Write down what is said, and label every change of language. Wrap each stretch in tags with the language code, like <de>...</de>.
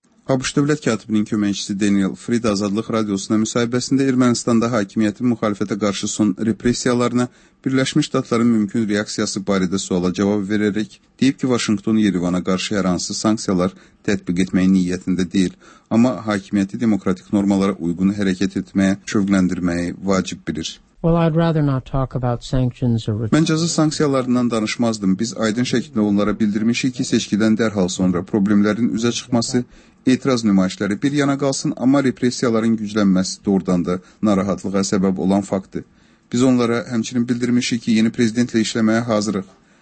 <az>ABŞ dövlət katibinin köməkçisi Daniel Fried Azadlıq Radiosuna müsahibəsində Ermənistanda hakimiyyətin müxalifətə qarşı son represiyalarına Birləşmiş Ştatların mümkün reaksiyası barədə suala cavab verərək deyib ki, Vaşinqton Yerevana qarşı hər hansı sanksiyalar tətbiq etməyə niyyətində deyil, amma hakimiyyəti demokratik normalara uyğun hərəkət etməyə şövqləndirməyi vacib bilir.</az> <en>Well, I'd rather not talk about sanctions or.</en> <az>Mən cəza sanksiyalarından danışmazdım. Biz aydın şəkildə onlara bildirmişik ki, seçkidən dərhal sonra problemlərin üzə çıxması, etiraz nümayişləri bir yana qalsın, amma repressiyaların güclənməsi doğrudan da narahatlığa səbəb olan faktdır. Biz onlara həmçinin bildirmişik ki, yeni prezidentlə işləməyə hazırıq.</az>